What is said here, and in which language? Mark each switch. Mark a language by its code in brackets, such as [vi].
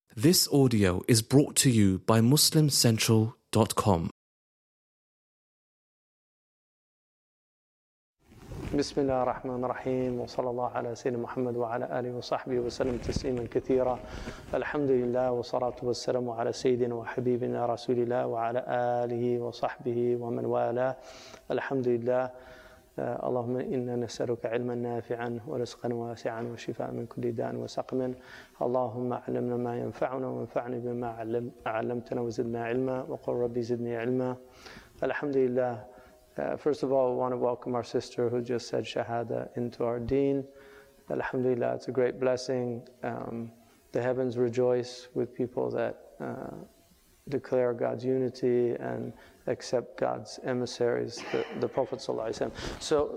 [en] This audio is brought to you by MuslimCentral.com. [ar] بسم الله الرحمن الرحيم وصلى الله على سيدنا محمد وعلى آله وصحبه وسلم تسليما كثيرا الحمد لله والصلاة والسلام على سيدنا وحبيبنا رسول الله وعلى آله وصحبه ومن والاه الحمد لله اللهم إنا نسألك علما نافعا ورزقا واسعا وشفاء من كل داء وسقم اللهم علمنا ما ينفعنا وانفعنا بما علمتنا وزدنا علما وقل ربي زدني علما الحمد لله. [en] First of all, I want to welcome our sister who just said Shahada into our deen. Alhamdulillah, it's a great blessing. The heavens rejoice with people that declare God's unity and accept God's emissaries, the Prophet Sallallahu Alaihi Wasallam.